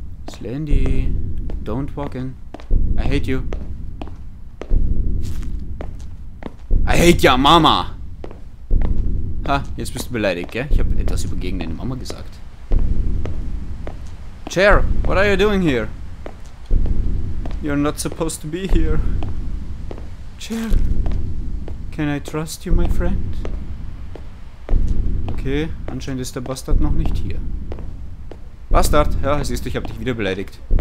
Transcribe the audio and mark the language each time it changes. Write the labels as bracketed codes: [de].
[en] Slendy, don't walk in. I hate you. I hate your mama! [de] Ha, jetzt bist du beleidigt, gell? Ich hab etwas über gegen deine Mama gesagt. [en] Chair, what are you doing here? You're not supposed to be here. Chair, can I trust you, my friend? [de] Okay, anscheinend ist der Bastard noch nicht hier. Bastard, ja, siehst du, ich hab dich wieder beleidigt.